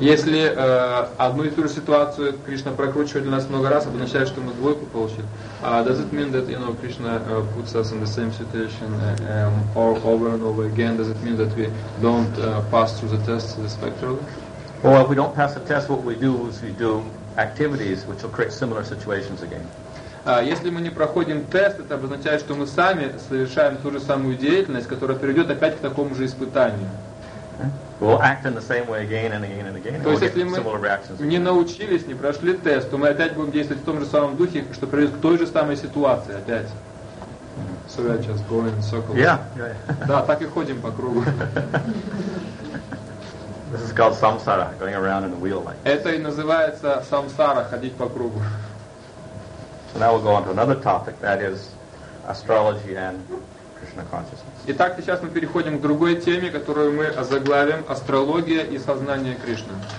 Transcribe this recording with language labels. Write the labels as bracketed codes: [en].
[ru] Если одну и ту же ситуацию Кришна прокручивает для нас много раз, обозначает, что мы двойку получили. [en] Does it mean that, you know, Krishna puts us in the same situation over and over again? Does it mean that we don't pass through the test satisfactorily? Well, if we don't pass the test, what we do is we do activities which will create similar situations again. [ru] Если мы не проходим тест, это обозначает, что мы сами совершаем ту же самую деятельность, которая приведет опять к такому же испытанию. [en] We'll act in the same way again and again and again. [ru] То есть, если мы не научились, не прошли тест, то мы опять будем действовать в том же самом духе, что приведет к той же самой ситуации опять. [en] So we're just going in circles. Yeah. [ru] Да, так и ходим по кругу. [en] This is called samsara, going around in a wheel like. [ru] Это и называется самсара, ходить по кругу. [en] So now we'll go on to another topic, that is astrology and Krishna consciousness. [ru] Итак, сейчас мы переходим к другой теме, которую мы озаглавим «Астрология и сознание Кришны».